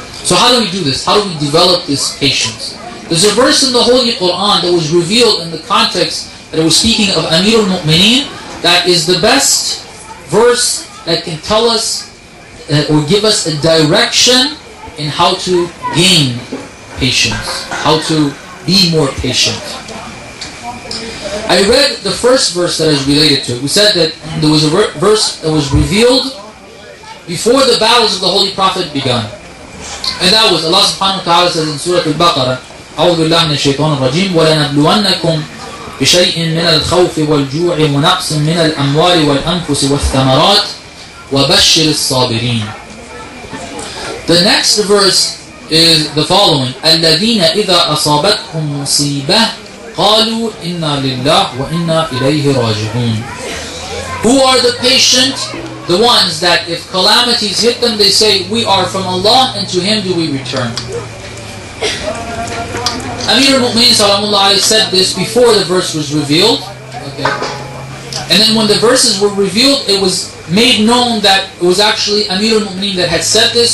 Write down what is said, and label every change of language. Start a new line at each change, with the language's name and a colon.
English: So how do we do this? How do we develop this patience? There's a verse in the Holy Quran that was revealed in the context that it was speaking of Amirul Mu'mineen, that is the best verse that can tell us or give us a direction in how to gain patience, how to be more patient. I read the first verse that is related to it. We said that there was a verse that was revealed before the battles of the Holy Prophet begun. And that was Allah subhanahu wa ta'ala says in Surah Al-Baqarah,
Arabic: أعوذ بالله من الشيطان الرجيم وَلَنَبْلُوَنَّكُمْ بشيء من الخوف والجوع ونقص من الأموال والأنفس والثمرات وبشر الصابرين.
English: The next verse is the following:
Arabic: الذين إذا أصابتهم مصيبة قالوا إنا لله وإنا إليه راجعون.
English: Who are the patient? The ones that if calamities hit them, they say, "We are from Allah and to Him do we return." Amir al-Mu'min said this before the verse was revealed. Okay. And then when the verses were revealed, it was made known that it was actually Amir al-Mu'min that had said this.